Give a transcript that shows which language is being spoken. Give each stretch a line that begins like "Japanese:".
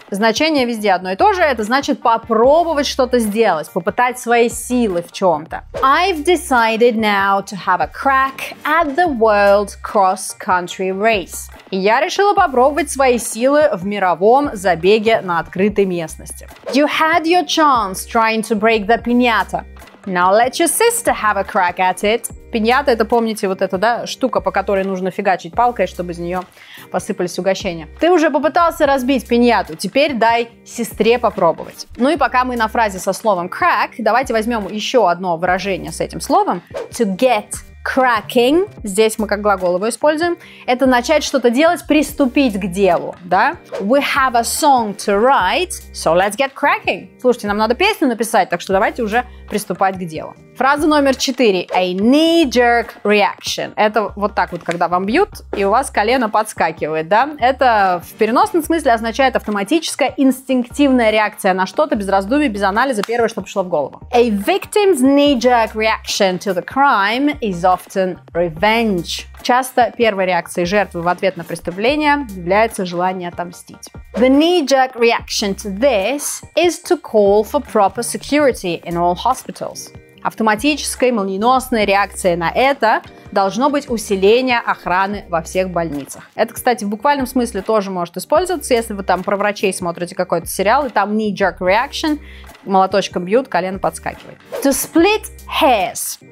Russian: Значение везде одно и то же. Это значит попробовать что-то сделать, попытать свои силы в чем-то.
English: I've decided now to have a crack at the world cross-country race.
Russian: И я решила попробовать свои силы в мировом забеге на открытой местности.
English: You had your chance trying to break the piñata. Now let your sister have a crack at it.
Russian: Пиньята, это помните, вот эта, да, штука, по которой нужно фигачить палкой, чтобы из нее посыпались угощения. Ты уже попытался разбить пиньяту, теперь дай сестре попробовать. Ну и пока мы на фразе со словом crack, давайте возьмем еще одно выражение с этим словом.
English: To get cracking.
Russian: Здесь мы как глагол его используем. Это начать что-то делать, приступить к делу, да?
English: We have a song to write, so let's get cracking.
Russian: Слушайте, нам надо песню написать, так что давайте уже приступать к делу. Фраза номер 4.
English: A knee-jerk reaction.
Russian: Это вот так вот, когда вам бьют, и у вас колено подскакивает, да? Это в переносном смысле означает автоматическая инстинктивная реакция на что-то без раздумий, без анализа, первое, что пришло в голову.
English: A victim's knee-jerk reaction to the crime is often revenge.
Russian: Часто первой реакцией жертвы в ответ на преступление является желание отомстить.
English: The knee-jerk reaction to this is to call for proper security in all hospitals.
Russian: Автоматической, молниеносной реакцией на это должно быть усиление охраны во всех больницах. Это, кстати, в буквальном смысле тоже может использоваться, если вы там про врачей смотрите какой-то сериал, и там knee-jerk reaction, молоточком бьют, колено подскакивает.
English: To split hairs.